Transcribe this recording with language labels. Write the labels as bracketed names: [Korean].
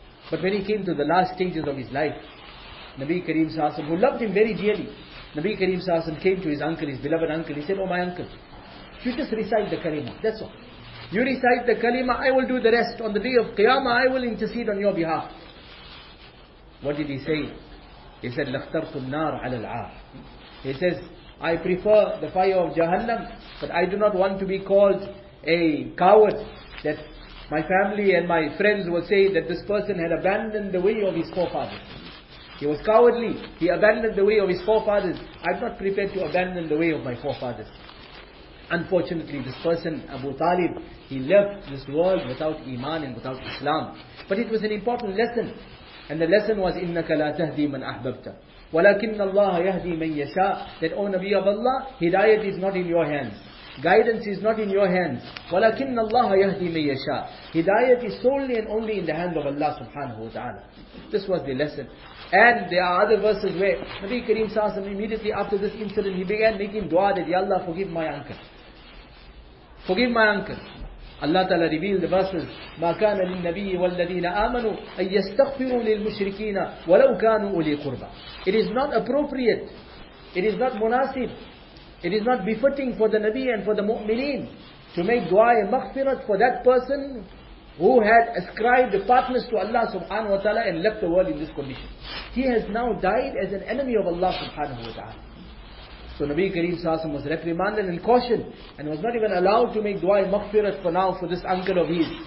[English] But when he came to the last stages of his life, Nabi Kareem Sahasam, who loved him very dearly, Nabi Kareem Sahasam came to his uncle, his beloved uncle. He said, oh my uncle, you just recite the kalima, that's all. You recite the kalima, I will do the rest. On the day of Qiyamah, I will intercede on your behalf. What did he say? He said, [Arabic] لَخْتَرْتُ النَّارَ عَلَى الْعَارِ. [English] He says, I prefer the fire of Jahannam, but I do not want to be called a coward, that my family and my friends will say that this person had abandoned the way of his forefathers. He was cowardly. He abandoned the way of his forefathers. I'm not prepared to abandon the way of my forefathers. Unfortunately, this person, Abu Talib, he left this world without Iman and without Islam. But it was an important lesson. And the lesson was, [Arabic] إِنَّكَ لَا تَهْدِي مَنْ أَحْبَبْتَ وَلَكِنَّ اللَّهَ يَهْدِي مَنْ يَشَاءُ. [English] That, O Nabi of Allah, hidayat is not in your hands. Guidance is not in your hands. [Arabic] وَلَكِنَّ اللَّهَ يَهْدِي مَنْ يَشَاءُ. [English] Hidayat is solely and only in the hand of Allah subhanahu wa ta'ala. This was the lesson. And there are other verses where Nabi Kareem Sahasam, immediately after this incident, he began making dua that, Ya Allah, forgive my uncle. Forgive my uncle. Allah Ta'ala revealed the verses, [Arabic] مَا كَانَ لِلْنَبِيِّ وَالَّذِينَ آمَنُوا أَن يَسْتَغْفِرُوا لِلْمُشْرِكِينَ وَلَوْ كَانُوا أُولِي قُرْبَى. [English] It is not appropriate, it is not munasib, it is not befitting for the Nabi and for the Mu'mineen to make dua and maghfirat for that person who had ascribed the partners to Allah subhanahu wa ta'ala and left the world in this condition. He has now died as an enemy of Allah subhanahu wa ta'ala. So Nabi Kareem Sahasam was reprimanded and cautioned and was not even allowed to make dua and maghfirat for now for this uncle of his.